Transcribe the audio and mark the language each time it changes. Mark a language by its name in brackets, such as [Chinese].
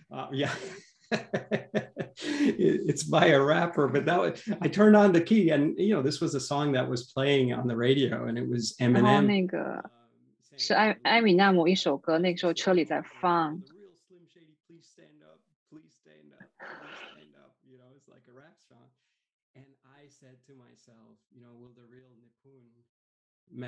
[English] It's by a rapper, but that was, I turned on the key and, you know, this was a song that was playing on the radio and it was Eminem. [Chinese] 然后那个是艾米纳姆一首歌，那个时候车里在放。 [English] The real Slim Shady, please stand up, please stand up, please stand up, you know, it's like a rap song. And I said to myself, you know, will the real Nippon man.